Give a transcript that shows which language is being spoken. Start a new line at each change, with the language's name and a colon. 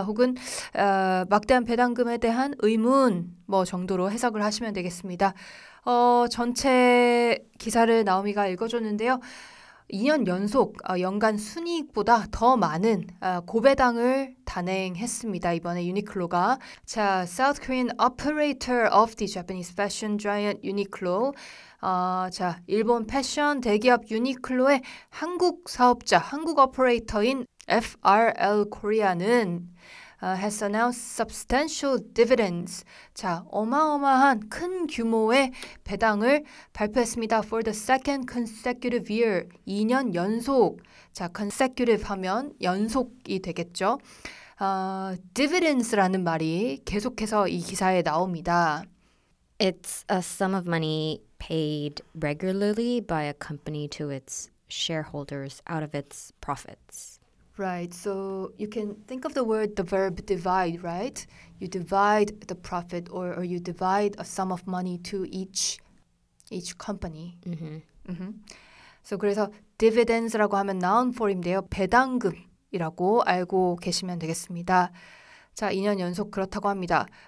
Korean: 혹은 막대한 배당금에 대한 의문 뭐 정도로 해석을 하시면 되겠습니다. 전체 기사를 나오미가 읽어줬는데요. 2년 연속 연간 순이익보다 더 많은 고배당을 단행했습니다. 이번에 유니클로가.
English: 자, South Korean operator of the Japanese fashion giant Uniqlo.
Korean: 자, 일본 패션 대기업 유니클로의 한국 사업자, 한국 오퍼레이터인 FRL Korea는
English: has announced substantial dividends.
Korean: 자, 어마어마한 큰 규모의 배당을 발표했습니다.
English: For the second consecutive year,
Korean: 2년 연속. 자, consecutive 하면 연속이 되겠죠. Dividends라는 말이 계속해서 이 기사에 나옵니다.
English: It's a sum of money paid regularly by a company to its shareholders out of its profits. Right, so you can think of the verb divide, right? You divide the profit or you divide a sum of money to each company. Mm-hmm.
Korean: Mm-hmm. So 그래서 dividends라고 하면 noun form인데요. 배당금이라고 알고 계시면 되겠습니다. 자, 2년 연속 그렇다고 합니다.